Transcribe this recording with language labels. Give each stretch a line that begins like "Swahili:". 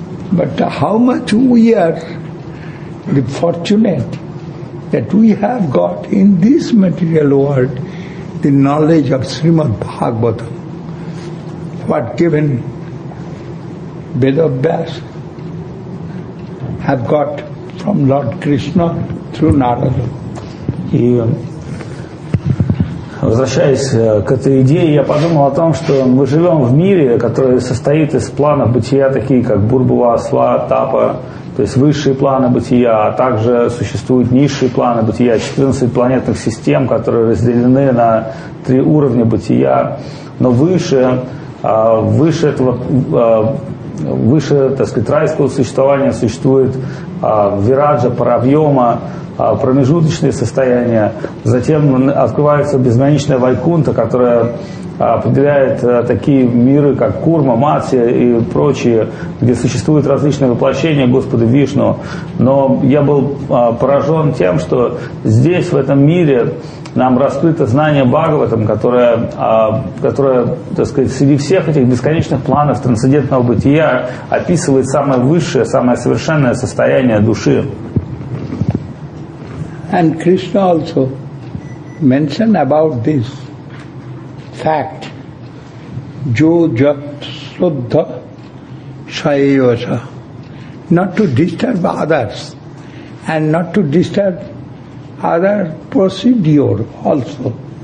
English: But how much we are fortunate that we have got in this material world the knowledge of Srimad Bhagavatam, what given Vedavyas have got from Lord Krishna through Narada.
Russian: Возвращаясь к этой идее, я подумал о том, что мы живем в мире, который состоит из планов бытия, такие как Бурбува, Сва, Тапа, то есть высшие планы бытия, а также существуют низшие планы бытия, 14 планетных систем, которые разделены на три уровня бытия. Но выше так сказать, райского существования существует Вираджа, Паравьёма, промежуточные состояния, затем открывается безграничная Вайкунта, которая определяет такие миры, как Курма, Матсья и прочие, где существуют различные воплощения Господа Вишну. Но я был поражен тем, что здесь, в этом мире, нам раскрыто знание Бхагаватам, которое, так сказать, среди всех этих бесконечных планов трансцендентного бытия описывает самое высшее, самое совершенное состояние души.
English: And Krishna also mentioned about this fact, jo jat suddha shayyosa, not to disturb others and not to disturb other procedure also.